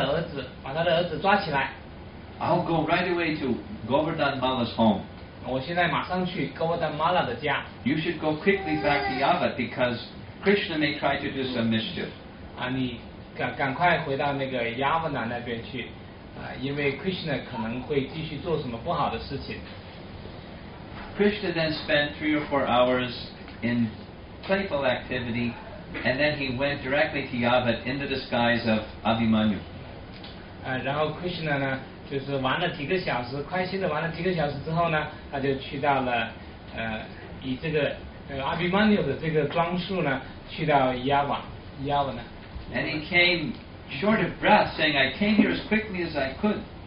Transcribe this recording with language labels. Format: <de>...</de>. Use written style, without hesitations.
<zh>为什么你不去向那个Kamsa告状，叫他派100个士兵，还有骑着马过来，到Nanda大军那里去抓他的儿子，把他的儿子抓起来。</zh> <en>I'll go right away to Govardhan Mala's home.</en> <zh>我现在马上去Govardhan Mala的家。</zh> <en>You should go quickly back to Yavat because Krishna may try to do some mischief.</en> <zh>你赶快回到那个Yavana那边去, 因为Krishna可能会继续做什么不好的事情。</zh> <en>Krishna then spent 3 or 4 hours in playful activity and then he went directly to Yavat in the disguise of Abhimanyu.</en> <zh>然后Krishna呢, 就是玩了几个小时，开心的玩了几个小时之后呢，他就去到了，以这个阿比曼纽的这个装束呢，去到亚瓦，亚瓦呢。</zh> <en>And he came short of breath, saying, "I came here as quickly as I could."</en>